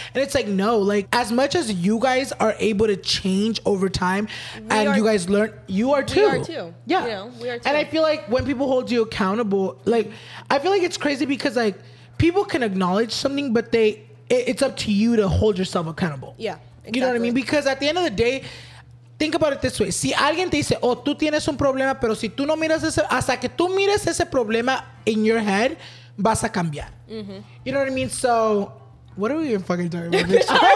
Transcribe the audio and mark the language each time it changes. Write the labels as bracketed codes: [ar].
[en] And it's like, no, like, as much as you guys are able to change over time, you guys learn, you are too. We are too. Yeah. You know, we are too. And I feel like when people hold you accountable, like, I feel like it's crazy, because, like, people can acknowledge something, but it's up to you to hold yourself accountable. Yeah. Exactly. You know what I mean? Because at the end of the day, think about it this way. [es] Si alguien te dice, oh, tú tienes un problema, pero si tú no miras ese, hasta que tú mires ese problema [en] in your head, [es] vas a cambiar. Mm-hmm. [en] You know what I mean? So, what are we even fucking talking about? Bitch?